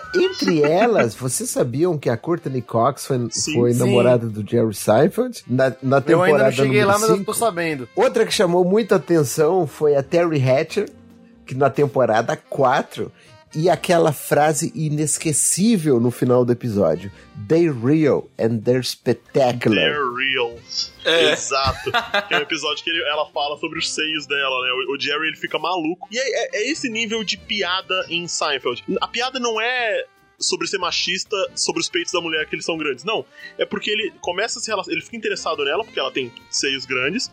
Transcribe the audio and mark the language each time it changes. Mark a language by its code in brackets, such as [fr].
[pt] Entre elas, vocês sabiam que a Courtney Cox foi namorada do Jerry Seinfeld? Na temporada número 5. Eu ainda não lá, mas eu tô sabendo. Outra que chamou muita atenção foi a Terry Hatcher, que na temporada 4, e aquela frase inesquecível no final do episódio. [en] They're real and they're spectacular. They're real. [pt] É. Exato. Que é um episódio que ela fala sobre os seios dela, né? O Jerry, ele fica maluco. E é esse nível de piada em Seinfeld. A piada não é sobre ser machista, sobre os peitos da mulher, que eles são grandes. Não. É porque ele começa a se relacionar... Ele fica interessado nela, porque ela tem seios grandes.